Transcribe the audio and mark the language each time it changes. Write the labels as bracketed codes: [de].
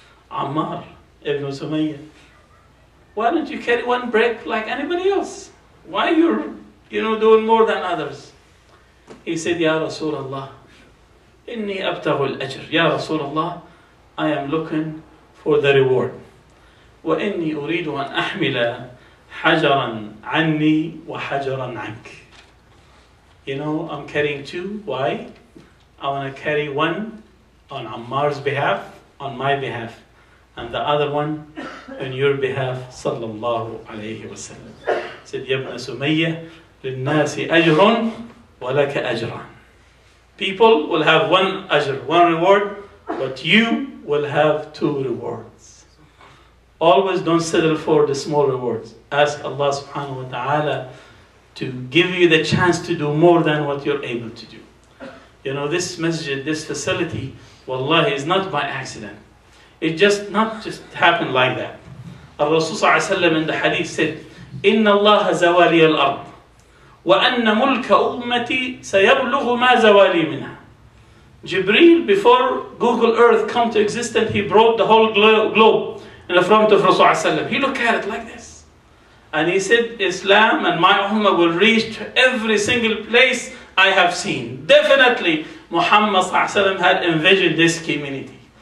[en] Ammar ibn Sumayyah, why don't you carry one brick like anybody else? Why you're, you know, doing more than others? He said, [ar] Ya Rasulullah, inni abtahu al-ajr. [en] Ya Rasulullah, I am looking for the reward. [ar] وإني أريد أن أحمل حجرا عني وحجرا عنك. [en] You know, I'm carrying two. Why? I want to carry one on Ammar's behalf, on my behalf, and the other one on your behalf, [ar] صلى الله عليه وسلم. [en] Said [ar] يا ابن سمية للناس أجر ولك أجر. [en] People will have one أجر, one reward, but you will have two rewards. Always don't settle for the small rewards. Ask Allah subhanahu wa ta'ala to give you the chance to do more than what you're able to do. You know, this masjid, this facility, wallahi, is not by accident. It just not just happened like that. Rasulullah sallallahu alayhi wa sallam in the hadith said, [ar] إِنَّ اللَّهَ زَوَالِيَ الْأَرْضِ وَأَنَّ مُلْكَ أُمَّتِي سَيَبْلُغُ مَا زَوَالِي مِنْهَا. [en] Jibreel, before Google Earth come to existence, he brought the whole globe in the front of Rasulullah. He looked at it like this. And he said, Islam and my Ummah will reach to every single place I have seen. Definitely, Muhammad had envisioned this community.